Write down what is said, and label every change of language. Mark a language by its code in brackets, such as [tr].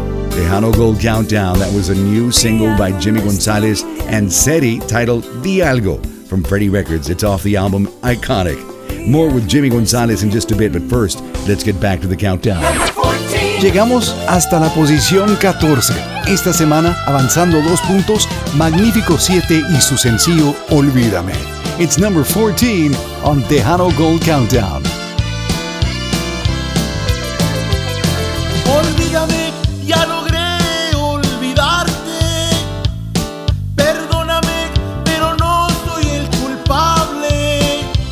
[en] Tejano Gold Countdown, that was a new single by Jimmy Gonzalez and Seti titled Di Algo from Freddy Records. It's off the album Iconic. More with Jimmy González in just a bit, but first, let's get back to the countdown. [es] Llegamos hasta la posición 14. Esta semana, avanzando dos puntos, Magnífico 7 y su sencillo Olvídame. [en] It's number 14 on Tejano Gold Countdown. [es] Olvídame, ya logré olvidarte. Perdóname, pero no soy el culpable.